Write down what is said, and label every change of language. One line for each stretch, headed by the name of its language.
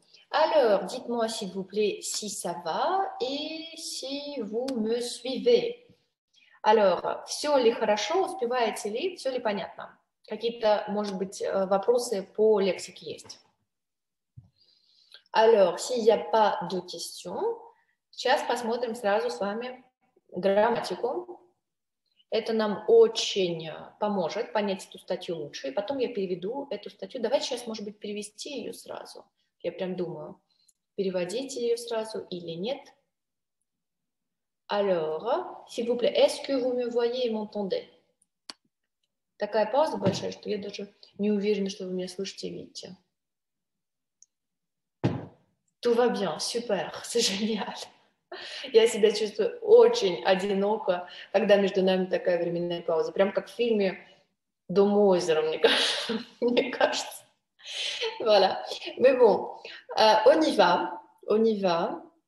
French: Alors, dites-moi s'il vous plaît si ça va et si vous me suivez.
Russian: Alors, все ли хорошо, успеваете ли, все ли понятно? Какие-то, может быть, вопросы по лексике есть?
French: Alors, s'il n'y a pas de questions,
Russian: сейчас посмотрим сразу с вами грамматику. Это нам очень поможет понять эту статью лучше. И потом я переведу эту статью. Давайте сейчас, может быть, перевести ее сразу. Я прям думаю, переводить ее сразу или нет.
French: Alors, s'il vous plaît, est-ce que vous me voyez et m'entendez?
Russian: Такая пауза большая, что я даже не уверена, что вы меня слышите и видите.
French: Tout va bien, super, c'est génial.
Russian: Я себя чувствую очень одиноко, когда между нами такая временная пауза. Прям как в фильме «Дом у озера», мне кажется. Мне кажется.
French: Voilà. Mais bon, on y va. On y va.